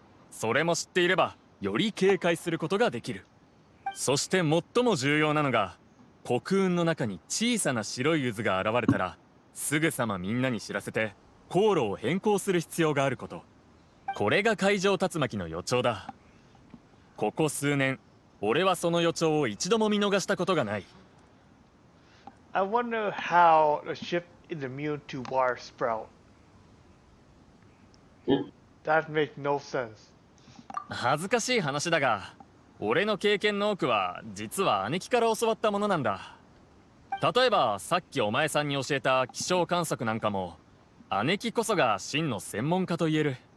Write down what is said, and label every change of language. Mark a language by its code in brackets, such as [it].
[ja] それも知っていればより警戒することができる。そして最も重要なのが、黒雲の中に小さな白い渦が現れたらすぐさまみんなに知らせて航路を変更する必要があること。これが海上竜巻の予兆だ。ここ数年俺はその予兆を一度も見逃したことがない。 [en] I wonder how a ship is immune to water sprout. That makes no sense. [ja] 恥ずかしい話だが俺の経験の多くは実は姉貴から教わったものなんだ。例えばさっきお前さんに教えた気象観測なんかも姉貴こそが真の専門家といえる。